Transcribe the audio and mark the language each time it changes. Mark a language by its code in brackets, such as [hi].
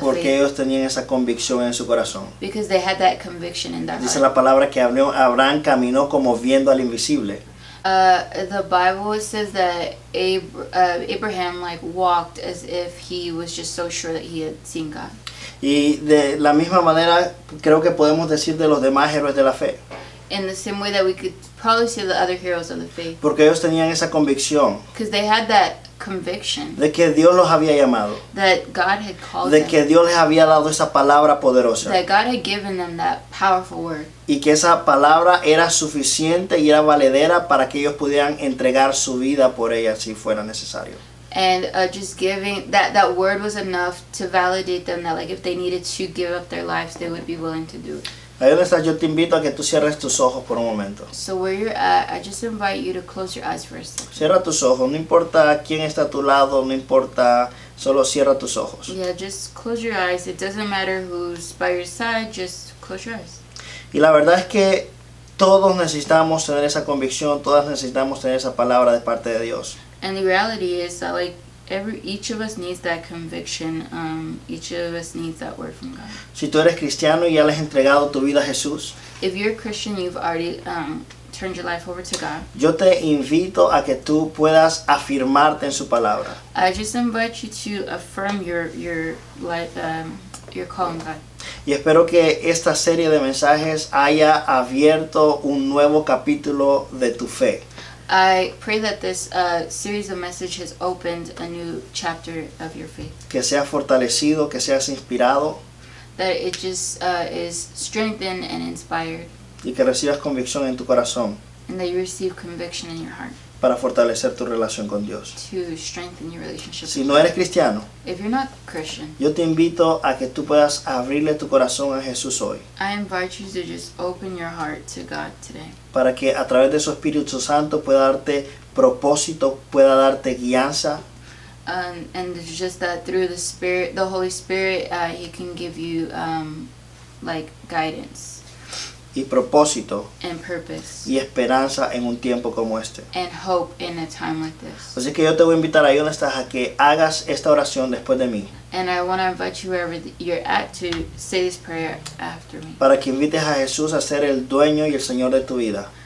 [es] Porque ellos tenían esa convicción en su corazón. [en] Because they had that conviction in their heart. [es] Dice la palabra que Abraham caminó como viendo al invisible. [en] The Bible says that Abraham like walked as if he was just so sure that he had seen God. [es] Y de la misma manera creo que podemos decir de los demás héroes de la fe. [en] in the same way that we could probably see the other heroes of the faith. [es] Porque ellos tenían esa convicción. [en] Because they had that conviction. [es] De que Dios los había llamado. [en] That God had called them. [es] De que Dios les había dado esa palabra poderosa. [en] That God had given them that powerful word. [es] Y que esa palabra era suficiente y era valedera para que ellos pudieran entregar su vida por ella si fuera necesario. [en] And just giving that word was enough to validate them that like if they needed to give up their lives they would be willing to do it. [es] Ahí donde estás, yo te invito a que tú cierres tus ojos por un momento. [en] So where you're at, I just invite you to close your eyes for a second. [es] Cierra tus ojos, no importa quién está a tu lado, no importa, solo cierra tus ojos. [en] Yeah, just close your eyes, it doesn't matter who's by your side, just close your eyes. [es] Y la verdad es que todos necesitamos tener esa convicción, todas necesitamos tener esa palabra de parte de Dios. [en] And the reality is that like, each of us needs that conviction. Each of us needs that word from God. [es] Si tú eres cristiano y ya le has entregado tu vida a Jesús. [en] If you're a Christian, you've already turned your life over to God. [es] Yo te invito a que tú puedas afirmarte en su palabra. [en] I just invite you to affirm your life, your call on God. [es] Y espero que esta serie de mensajes haya abierto un nuevo capítulo de tu fe. [en] I pray that this series of messages has opened a new chapter of your faith. [es] Que seas fortalecido, que seas inspirado. [en] That it just is strengthened and inspired. [es] Y que recibas convicción en tu corazón. [en] And that you receive conviction in your heart. [es] Para fortalecer tu relación con Dios. [en] To strengthen your relationship. [es] Si no eres cristiano. [en] If you're not Christian. [es] Yo te invito a que tú puedas abrirle tu corazón a Jesús hoy. [en] I invite you to just open your heart to God today. [es] Para que a través de su Espíritu Santo pueda darte propósito, pueda darte guianza. [en] And it's just that through the Spirit, the Holy Spirit, he can give you like guidance. [es] Y propósito [en] and purpose. [es] Y esperanza en un tiempo como este. [en] And hope in a time like this. [es] Así que yo te voy a invitar ahí donde estás a que hagas esta oración después de mí. [en] And I want to invite you wherever you're at to say this prayer after me. [es] Para que invites a Jesús a ser el dueño y el Señor de tu vida.